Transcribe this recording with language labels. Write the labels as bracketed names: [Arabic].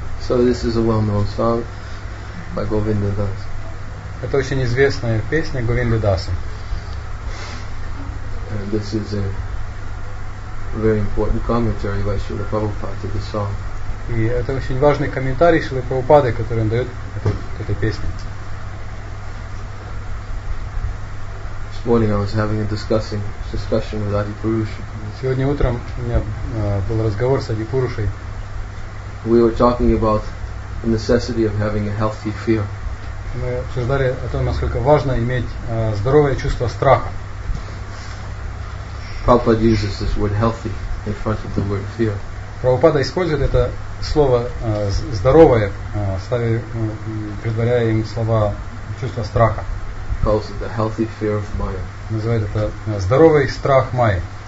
[English] So this is a well-known song by Govinda Das. [Russian] Это очень известная песня Говинды Даса. [English] And this is a very important commentary by Srila Prabhupada to the song. [Russian] И это очень важный комментарий Шрилы Прабхупады, который он дает к этой песне. [English] This morning I was having a discussion with Adi Purusha. [Russian] Сегодня утром у меня был разговор с Ади Пурушей. [English] We were talking about the necessity of having a healthy fear. [Russian] Мы обсуждали о том, насколько важно иметь здоровое чувство страха. [English] Prabhupada uses this word healthy in front of the word fear. [Russian] Prabhupada использует это слово здоровое, ставя, предваряя им слова чувства страха. [English] Calls it the healthy fear of Maya. [Russian] Называет это здоровый страх Майи.